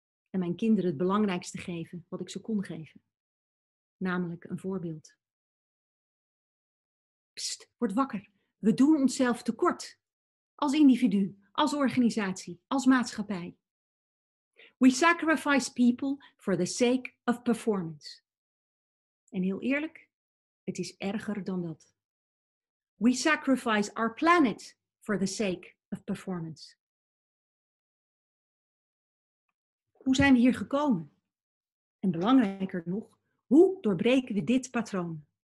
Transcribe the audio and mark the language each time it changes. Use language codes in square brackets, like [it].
[nl] En mijn kinderen het belangrijkste geven wat ik ze kon geven, namelijk een voorbeeld. Pst, word wakker. We doen onszelf tekort. Als individu, als organisatie, als maatschappij. [en] We sacrifice people for the sake of performance. [nl] En heel eerlijk, het is erger dan dat. [en] We sacrifice our planet for the sake of performance. [nl] Hoe zijn we hier gekomen? En belangrijker nog, hoe doorbreken we dit patroon?